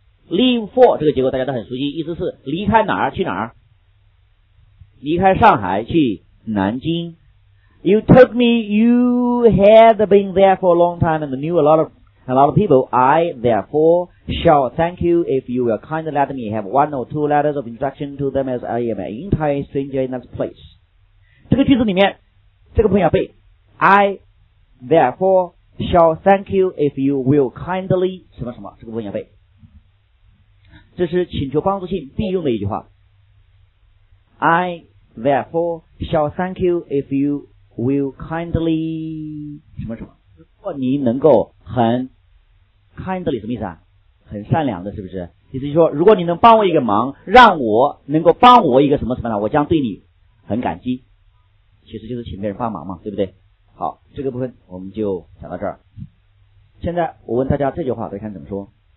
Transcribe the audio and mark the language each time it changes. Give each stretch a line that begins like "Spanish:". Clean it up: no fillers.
Chinese: Leave for 这个结构大家都很熟悉，意思是离开哪儿去哪儿，离开上海去南京。
English: You told me you had been there for a long time and knew a lot of people. I therefore shall thank you if you will kindly let me have one or two letters of introduction to them as I am an entire stranger in that place.
Chinese: 这个句子里面这个朋友要背
English: I therefore shall thank you if you will kindly
Chinese: 什么什么，这个朋友要背，这是请求帮助信必用的一句话。
English: I therefore shall thank you if you will kindly
Chinese: 什么什么，如果你能够很 kindly 什么意思啊，很善良的，是不是意思就是说如果你能帮我一个忙，让我能够帮我一个什么什么，我将对你很感激，其实就是请别人帮忙嘛，对不对？好，这个部分我们就讲到这儿。现在我问大家这句话，大家看怎么说。